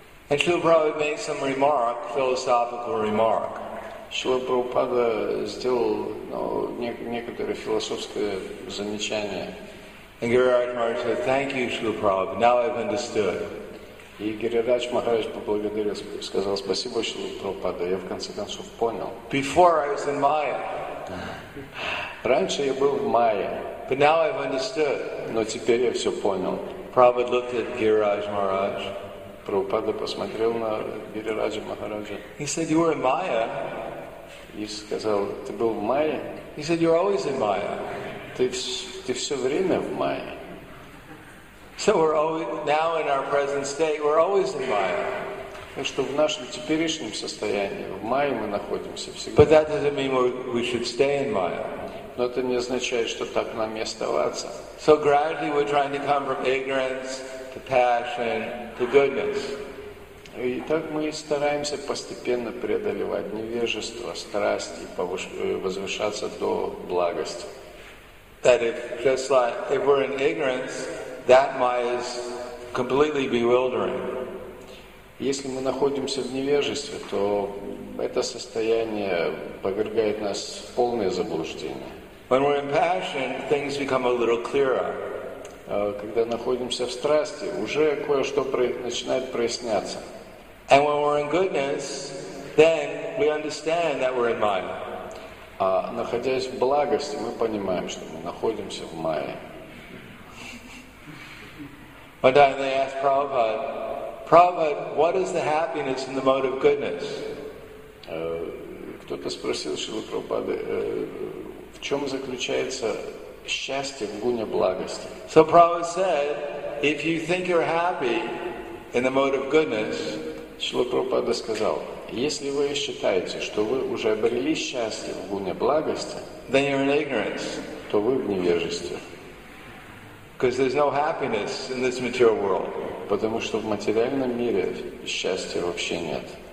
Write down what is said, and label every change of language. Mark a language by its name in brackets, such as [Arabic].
[English] and Srila Prabhupada made some remark, philosophical remark. [Russian] Srila Prabhupada сделал некоторое философское замечание. [English] And Giriraj Maharaj said, "Thank you, Srila Prabhupada. Now I've understood." [Russian] И Гирирадж Махарадж поблагодарил, сказал, "Спасибо, Шрила Прабхупада. Я в конце концов понял." [English] Before I was in Maya. [Russian] Раньше я был в Майе. [English] But now I've understood. [Russian] Но теперь я все понял. [English] Prabhupada looked at Giriraj Maharaj. [Russian] Прабхупада посмотрел на Гирираджа Махараджа. [English] He said, "You were in Maya." [Russian] И сказал, "Ты был в Майе?" [English] He said, "You're always in Maya." [Russian] Ты все время в Майе. [English] So we're always now in our present state. We're always in Maya. [Russian] Так что в нашем теперешнем состоянии в Майе мы находимся всегда. [English] But that doesn't mean we should stay in Maya. [Russian] Но это не означает, что так нам и оставаться. [English] So gradually we're trying to come from ignorance to passion to goodness. [Russian] И так мы стараемся постепенно преодолевать невежество, страсти, возвышаться до благости. [English] That if just like if we're in ignorance, that Maya is completely bewildering. [Russian] Если мы находимся в невежестве, то это состояние повергает нас в полное заблуждение. [English] When we're in passion, things become a little clearer. [Russian] Когда находимся в страсти, уже кое-что начинает проясняться. [English] And when we're in goodness, then we understand that we're in Maya. [Russian] А находясь в благости, мы понимаем, что мы находимся в Майе. [English] One time they asked Prabhupada, what is the happiness in the mode of goodness? [Russian] Кто-то спросил Шрилу Прабхупаду, в чем заключается счастье в гуне благости? [English] So Prabhupada said, if you think you're happy in the mode of goodness, [Russian] Шрила Прабхупада сказал, если вы считаете, что вы уже обрели счастье в гуне благости, [English] then you're in ignorance. [Russian] То вы в невежестве. [English] Because there's no happiness in this material world. [Russian] Потому что в материальном мире счастья вообще нет.